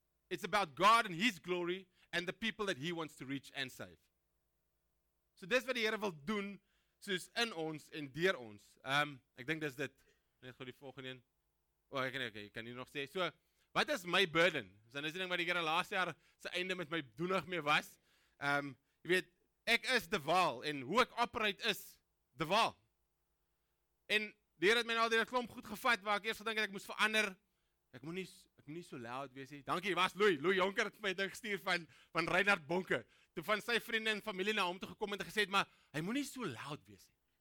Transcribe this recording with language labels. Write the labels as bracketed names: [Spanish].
[English] It's about God and His glory, and the people that He wants to reach and save. [Afrikaans] So dis wat die Here wil doen, soos in ons en deur ons. Ek dink dis dit. Net gou die volgende een. Ek kan nie nog sê. So, wat is my burden? So, dis die ding wat die Here laas jaar sy einde met my doenig mee was. Jy weet, ek is de Waal, en hoe ek operate is de Waal. En die Here het my al die klomp goed gevat, waar ek eerst gedink het, ek moes verander. Ek moet nie so loud wees, he. Dankie, was Louis Jonker het my ding gestuur van Reinhard Bonke, toe van sy vriende en familie na hom toe gekom en gesê het, maar hy moet nie so loud wees, he.